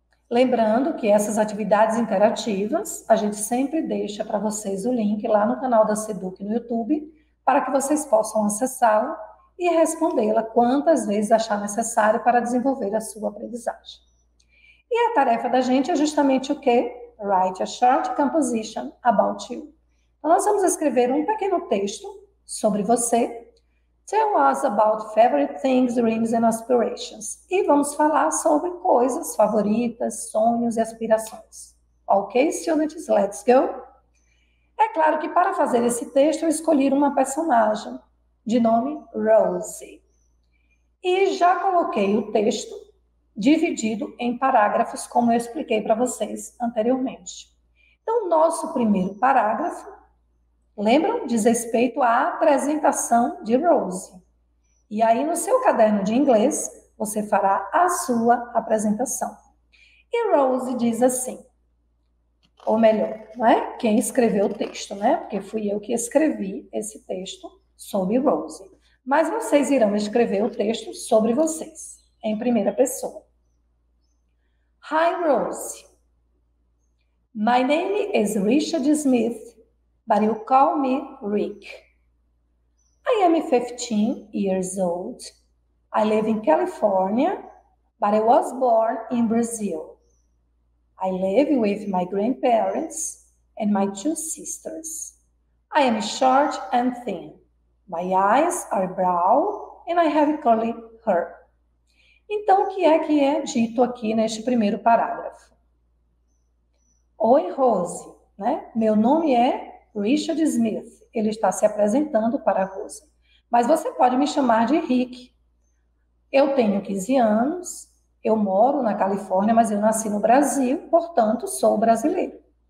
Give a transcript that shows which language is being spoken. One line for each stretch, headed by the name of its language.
Portuguese: Lembrando que essas atividades interativas, a gente sempre deixa para vocês o link lá no canal da Seduc no YouTube, para que vocês possam acessá-la e respondê-la quantas vezes achar necessário para desenvolver a sua aprendizagem. E a tarefa da gente é justamente o quê?
English: Write a short composition about you.
Portuguese: Então, nós vamos escrever um pequeno texto sobre você.
English: Tell us about favorite things, dreams and aspirations.
Portuguese: E vamos falar sobre coisas favoritas, sonhos e aspirações.
English: Ok, students? Let's go.
Portuguese: É claro que para fazer esse texto, eu escolhi uma personagem de nome Rosie. E já coloquei o texto dividido em parágrafos, como eu expliquei para vocês anteriormente. Então, nosso primeiro parágrafo, lembram? Diz respeito à apresentação de Rosie. E aí, no seu caderno de inglês, você fará a sua apresentação. E Rosie diz assim, ou melhor, não é? Quem escreveu o texto, né? Porque fui eu que escrevi esse texto sobre Rosie. Mas vocês irão escrever o texto sobre vocês, em primeira pessoa.
English: Hi, Rosie. My name is Richard Smith, but you call me Rick. I am 15 years old. I live in California, but I was born in Brazil. I live with my grandparents and my two sisters. I am short and thin. My eyes are brown and I have curly hair.
Portuguese: Então, o que é dito aqui neste primeiro parágrafo? Oi, Rose. Né? Meu nome é Richard Smith. ele está se apresentando para a Rosa. Mas você pode me chamar de Rick. Eu tenho 15 anos, eu moro na Califórnia, mas eu nasci no Brasil, portanto, sou brasileiro.